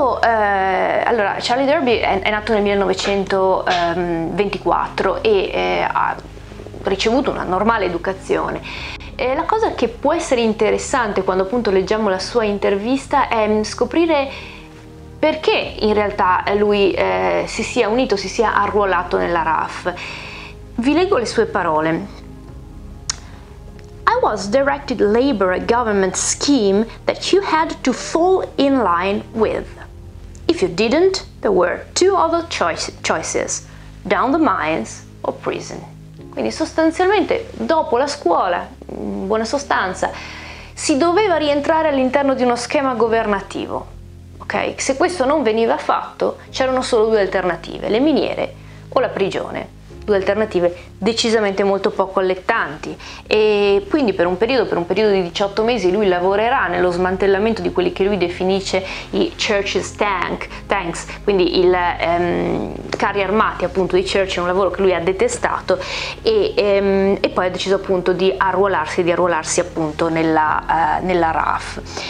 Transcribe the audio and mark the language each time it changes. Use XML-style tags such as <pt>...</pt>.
<it>Quando Charlie Derby è nato nel 1924 e ha ricevuto una normale educazione. La cosa che può essere interessante quando appunto leggiamo la sua intervista è scoprire perché in realtà lui si sia arruolato nella RAF. Vi leggo le sue parole.</it> <en>I was directed labor a government scheme that you had to fall in line with. If you didn't, there were two other choices, down the mines or prison.</en> <it>Quindi sostanzialmente dopo la scuola, in buona sostanza, si doveva rientrare all'interno di uno schema governativo. Okay. Se questo non veniva fatto, c'erano solo due alternative, le miniere o la prigione. Due alternative decisamente molto poco allettanti. E quindi per un periodo di 18 mesi lui lavorerà nello smantellamento di quelli che lui definisce i Churchill's Tanks, quindi i carri armati appunto di Churchill, un lavoro che lui ha detestato, e poi ha deciso appunto di arruolarsi appunto nella RAF.</it>